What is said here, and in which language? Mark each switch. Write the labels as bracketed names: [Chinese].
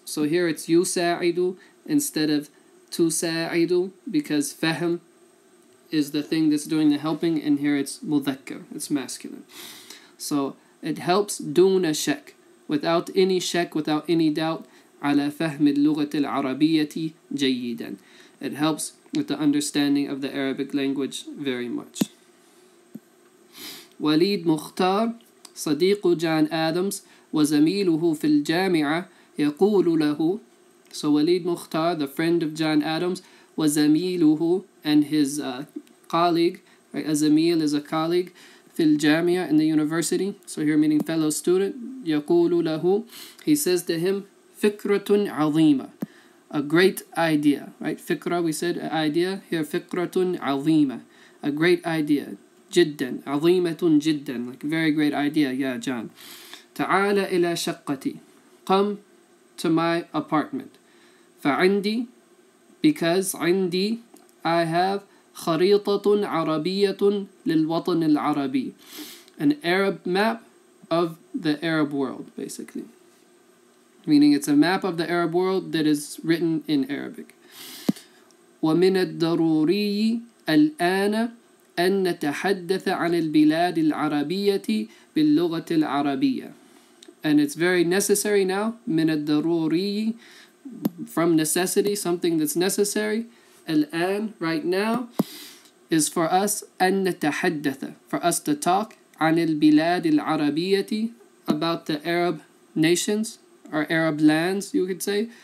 [English] So here it's [Arabic] يُسَاعِدُ [English] instead of [Arabic] تُسَاعِدُ, [English] because فَهْم is the thing that's doing the helping, and here it's مُذَكَّر, it's masculine. So it helps [Arabic] دُونَ شَكْ, [English] without any shak, without any doubt, [Arabic] عَلَى فَهْمِ اللُّغَةِ الْعَرَبِيَّةِ جَيِّدًا. [English] It helps with the understanding of the Arabic language very much. [Arabic] Walid Mukhtar, صديق جان آدمز وزميله في الجامعة يقول له. [English] So Walid Mukhtar, the friend of John Adams, [Arabic] وزميله, [English] and his colleague, right? أزميل is a colleague, [Arabic] في الجامعة, [English] in the university, so here meaning fellow student, [Arabic] يقول له, [English] he says to him, [Arabic] فكرة عظيمة, [English] a great idea, right? فكرة, we said idea, here [Arabic] فكرة عظيمة, [English] a great idea, جدا, [Arabic] عظيمة جدا, [English] like very great idea, yeah, John. [Arabic] تعال إلى شقتي, [English] come to my apartment. [Arabic] فعندي, [English] because عندي, I have [Arabic] خريطة عربية للوطن العربي, [English] an Arab map of the Arab world, basically. Meaning it's a map of the Arab world that is written in Arabic. [Arabic] ومن الضروري الآن أن نتحدث عن البلاد العربية باللغة العربية. [English] And it's very necessary now, [Arabic] من الضروري, [English] from necessity, something that's necessary, الآن, right now, is for us, [Arabic] أن نتحدث, [English] for us to talk, [Arabic] عن البلاد العربية, [English] about the Arab nations, or Arab lands, you could say.